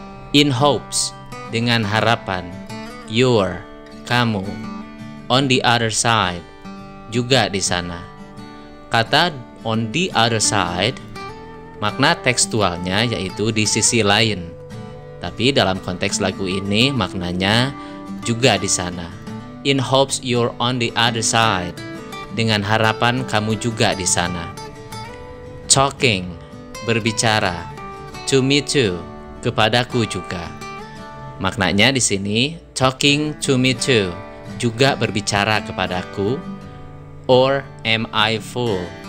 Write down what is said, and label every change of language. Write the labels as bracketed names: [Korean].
[English] In hopes, dengan harapan, your, kamu. On the other side, juga di sana. Kata on the other side [Indonesian] Makna tekstualnya yaitu di sisi lain. Tapi dalam konteks lagu ini maknanya juga di sana. [English] In hopes you're on the other side. [Indonesian] Dengan harapan kamu juga di sana. [English] Talking, berbicara. To me too, kepadaku juga. [Indonesian] Maknanya di sini, talking to me too, juga berbicara kepadaku. [English] Or am I fool?